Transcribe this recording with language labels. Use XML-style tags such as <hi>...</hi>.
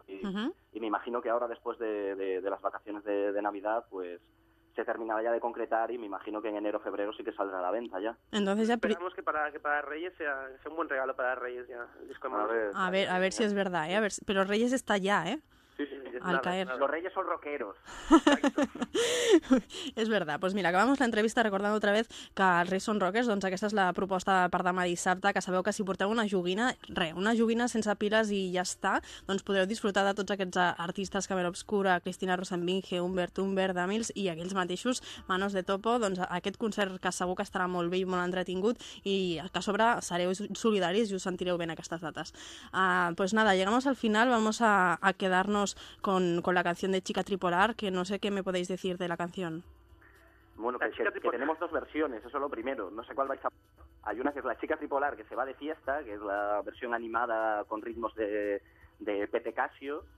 <es>Y me imagino que ahora, después de las vacaciones de Navidad, pues se terminará ya de concretar y me imagino que en enero o febrero sí que saldrá a la venta ya. Entonces ya... Esperamos que para Reyes sea un buen regalo para Reyes ya, el disco de Manos. A ver si es verdad, ¿eh? A ver, pero Reyes está ya, ¿eh? Sí, al nada, caer. Nada. Los Reyes son rockeros. Es verdad. Pues mira, acabamos la entrevista recordando otra vez que</es> <ca>els Reyes són rockers, doncs aquesta és la proposta per demà dissabte, que sabeu que si porteu una joguina, una joguina sense piles i ja està, doncs podreu disfrutar de tots aquests artistes, Camera Obscura, Cristina Rosenvinge, Humbert, Damils i aquells mateixos, Manos de Topo, doncs aquest concert que segur que estarà molt bé i molt entretingut i que a sobre sereu solidaris i us sentireu bé en aquestes dates.</ca> <es>Pues nada, llegamos al final, vamos a quedarnos con la canción de Chica Tripolar, que no sé qué me podéis decir de la canción. Bueno, que tenemos dos versiones, eso es lo primero. No sé cuál vais a... Hay una que es la Chica Tripolar, que se va de fiesta, que es la versión animada con ritmos de Pepe Casio.</es>